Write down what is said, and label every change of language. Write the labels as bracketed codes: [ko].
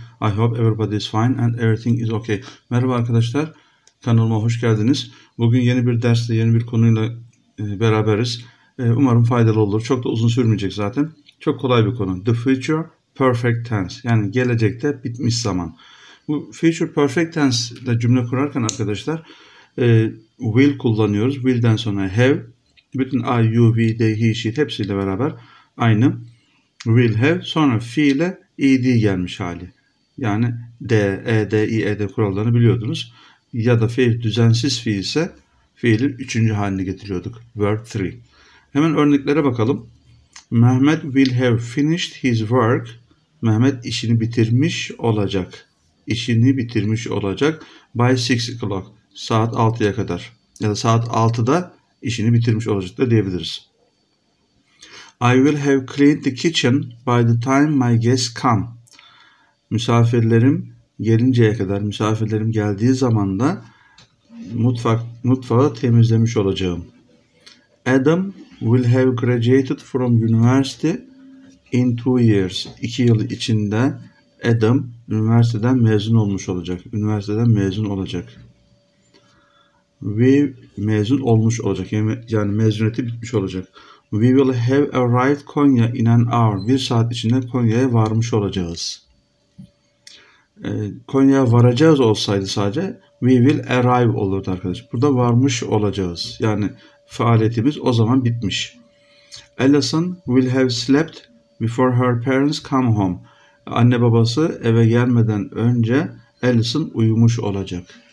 [en] I hope everybody is fine and everything is okay. [tr] Merhaba arkadaşlar, kanalıma hoş geldiniz. Bugün yeni bir dersle, yeni bir konuyla beraberiz. Umarım faydalı olur. Çok da uzun sürmeyecek zaten. Çok kolay bir konu. The future perfect tense. Yani gelecekte bitmiş zaman. Bu future perfect tense ile cümle kurarken arkadaşlar will kullanıyoruz. Will'den sonra have. Bütün I, you, we, they, he, she hepsiyle beraber. Aynı will have sonra fiile ed gelmiş hali. Yani d, ed, ied kurallarını biliyordunuz. Ya da fiil düzensiz fiil ise fiilin üçüncü halini getiriyorduk. Verb 3. Hemen örneklere bakalım. [en] Mehmet will have finished his work. [tr] Mehmet işini bitirmiş olacak. İşini bitirmiş olacak [en] by 6 o'clock. [tr] Saat 6'ya kadar. Ya da saat 6'da işini bitirmiş olacak da diyebiliriz. [en] I will have cleaned the kitchen by the time my guests come. [tr] Misafirlerim gelinceye kadar, misafirlerim geldiği zaman da mutfağı temizlemiş olacağım. [en] Adam will have graduated from university in 2 years. [tr] 2 yıl içinde Adam üniversiteden mezun olmuş olacak. Üniversiteden mezun olacak. Ve mezun olmuş olacak. Yani mezuniyeti bitmiş olacak. [en] We will have arrived Konya in an hour. [tr] Bir saat içinde Konya'ya varmış olacağız. Konya'ya varacağız olsaydı sadece [en] we will arrive [tr] olurdu arkadaş. Burada varmış olacağız. Yani faaliyetimiz o zaman bitmiş. [en] Allison will have slept before her parents come home. [tr] Anne babası eve gelmeden önce Allison uyumuş olacak.